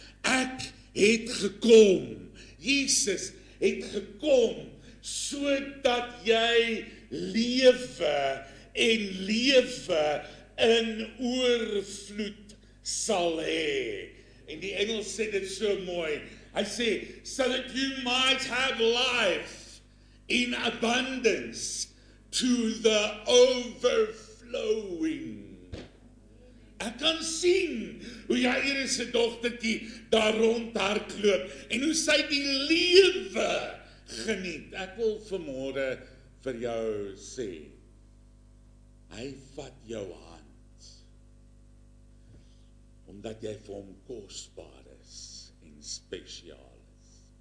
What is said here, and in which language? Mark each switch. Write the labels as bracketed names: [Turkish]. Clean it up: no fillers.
[Afrikaans] Ek het gekom. Jesus het gekom sodat jy lewe en lewe in oorvloed sal hê. En die engel sê dit so mooi. Hy sê, [English] so that you might have life in abundance to the overflowing. [Afrikaans] Ek kan sien hoe jy hier is sy dogtertjie daar rond haar kloop en hoe sy die lewe geniet. Ek wil vanmorgen vir jou sê, hy vat jou hand omdat jy vir hom kostbaar is en speciaal is.